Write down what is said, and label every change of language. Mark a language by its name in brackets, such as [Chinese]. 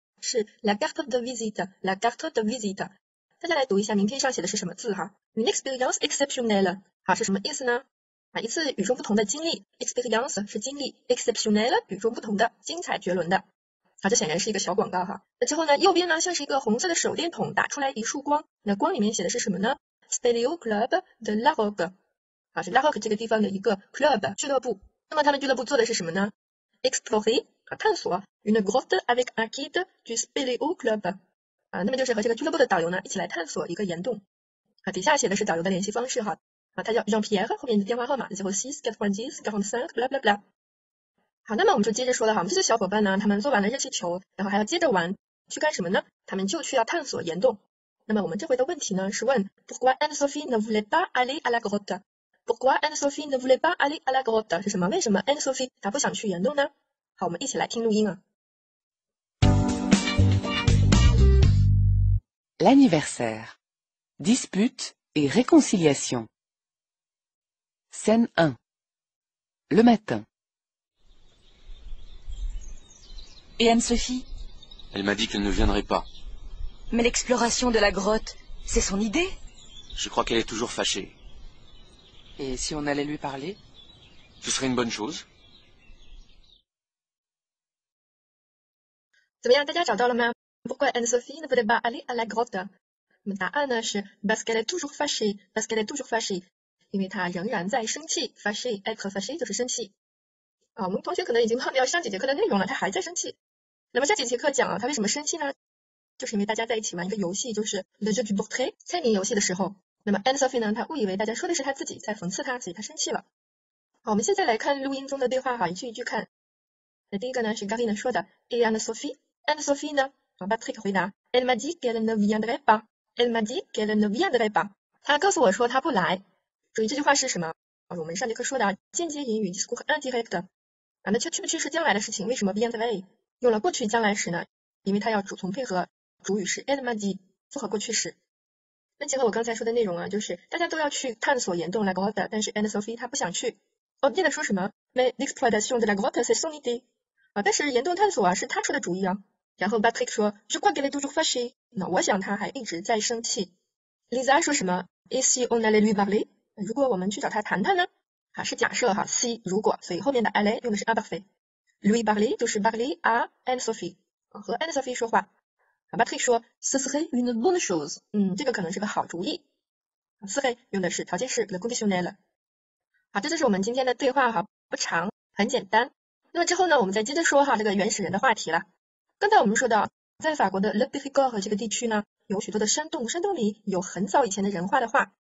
[Chinese] 是 [French] la carte de visite， la carte de visite。 [Chinese] 大家来读一下名片上写的是什么字哈？ [French] Une expérience exceptionnelle， [Chinese] 好，是什么意思呢？啊，一次与众不同的经历。 Experience 是经历， exceptionnelle 与众不同的，精彩绝伦的。好，这显然是一个小广告哈。那之后呢，右边呢像是一个红色的手电筒打出来一束光，那光里面写的是什么呢？ Stéréo Club de La Roque， 好，是 La Roque 这个地方的一个 club 俱乐部。那么他们俱乐部做的是什么呢？ [French] Explorer [Chinese] 和探索 [French] une grotte avec un guide du Stéréo Club。 [Chinese] 啊，那么就是和这个俱乐部的导游呢一起来探索一个岩洞啊。底下写的是导游的联系方式哈，啊，他叫 Jean-Pierre， 后面的电话号码最后 6 4 1 6 4 3 blah blah blah。好，那么我们就接着说了哈，我们这些小伙伴呢他们做完了热气球，然后还要接着玩，去干什么呢？他们就去要探索岩洞。那么我们这回的问题呢是问 [French] Pourquoi Anne-Sophie ne voulait pas aller à la grotte？ Pourquoi Anne-Sophie ne voulait pas aller à la grotte？ [Chinese] 是什么？为什么 Anne-Sophie 她不想去岩洞呢？好，我们一起来听录音啊。 [French] L'anniversaire. Dispute et réconciliation. Scène 1. Le matin. Et Anne-Sophie? Elle m'a dit qu'elle ne viendrait pas. Mais l'exploration de la grotte, c'est son idée? Je crois qu'elle est toujours fâchée. Et si on allait lui parler? Ce serait une bonne chose. [Chinese] 怎么样，大家找到了吗？不过 [French] Anne Sophie ne voulait pas aller à la grotte。 [Chinese] 那么答案呢是 [French] parce qu'elle est toujours fâchée， [Chinese] parce qu'elle est toujours fâchée， 因为她仍然在生气。 fâchée， être fâchée 就是生气啊。我们同学可能已经忘掉上几节课的内容了，她还在生气。那么下几节课讲啊，她为什么生气呢？就是因为大家在一起玩一个游戏，就是 [French] le jeu du portrait， [Chinese] 猜谜游戏的时候，那么 Anne Sophie 呢，她误以为大家说的是她自己在讽刺她，所以她生气了。好，我们现在来看录音中的对话哈，一句一句看。那第一个呢是 Galine 说的， et Anne Sophie， Anne Sophie 呢？ [French] Patrick [Chinese] 回答 [French] ，Elle m'a dit qu'elle ne viendrait pas. Elle m'a dit qu'elle ne viendrait pas. [Chinese] 她告诉我说她不来。注意这句话是什么？我们上节课说的间接引语 discours indirect。啊，那去不去是将来的事情，为什么 viendrait 用了过去将来时呢？因为它要主从配合，主语是 [French] elle m'a dit， [Chinese] 复合过去时。那结合我刚才说的内容啊，就是大家都要去探索岩洞 la grotte， 但是 Anne Sophie 她不想去。哦，接着说什么 [French] ？Mais l'exploration de la grotte c'est son idée。 [Chinese] 啊，但是岩洞探索啊是她出的主意啊。然后 [French] Patrick [Chinese] 说 [French] Je crois qu'elle est toujours fâchée。 [Chinese] 那我想他还一直在生气。 [French] Lisa [Chinese] 说什么 [French] Et si on allait lui parler？ [Chinese] 如果我们去找他谈谈呢？啊，是假设哈， si 如果，所以后面的 aller 用的是 imparfait。 [French] Lui parler [Chinese] 就是 [French] parler à Anne-Sophie， [Chinese] 和 Anne-Sophie 说话。 Patrick 说 [French] ce serait une bonne chose， [Chinese] 这个可能是个好主意。 serait 用的是条件式 le conditionnel。好，这就是我们今天的对话哈，不长，很简单。那么之后呢，我们再接着说哈这个原始人的话题了。刚才我们说到，在法国的 Le Périgord 这个地区呢，有许多的山洞，山洞里有很早以前的人画的画。